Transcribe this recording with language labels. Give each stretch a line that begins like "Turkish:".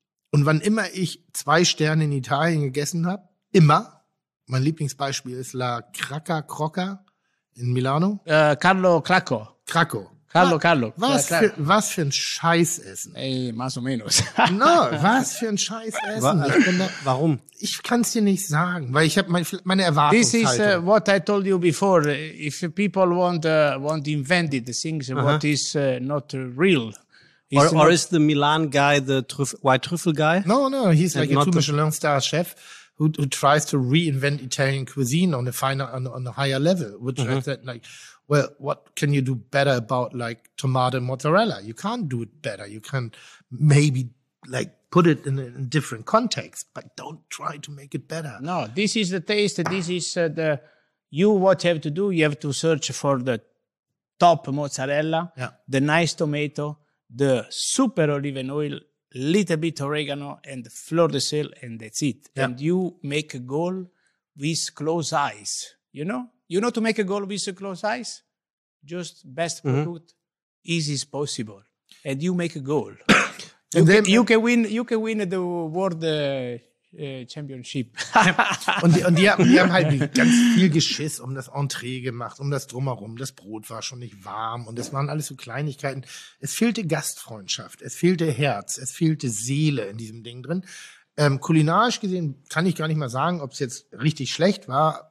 German: Und wann immer ich 2 Sterne in Italien gegessen habe, immer, mein Lieblingsbeispiel ist La Cracca Crocca In Milano? Carlo Cracco. Cracco. Carlo, Carlo. Was für ein Scheißessen.
Spanish: Ey, más o menos.
German: No, was für ein Scheißessen. Warum? Ich kann es dir nicht sagen, weil ich habe meine Erwartungshaltung.
English: This is what I told you before. If people want invented things, what is not real. Or is the Milan guy the white truffle guy? No, he's like a 2 Michelin star chef who tries to reinvent Italian cuisine on a finer, on a higher level, which I said, like, well, what can you do better about like tomato mozzarella? You can't do it better. You can maybe like put it in a different context, but don't try to make it better. No, this is the taste. This is what you have to do. You have to search for the top mozzarella, the nice tomato, the super olive oil, little bit oregano and fleur de sel, and that's it. Yeah. And you make a goal with close eyes, you know? You know to make a goal with a close eyes? Just best product, easy as possible. And you make a goal. you can win the world championship.
German: Und die haben halt ganz viel Geschiss um das Entree gemacht, um das Drumherum. Das Brot war schon nicht warm und es waren alles so Kleinigkeiten. Es fehlte Gastfreundschaft, es fehlte Herz, es fehlte Seele in diesem Ding drin. Kulinarisch gesehen kann ich gar nicht mal sagen, ob es jetzt richtig schlecht war.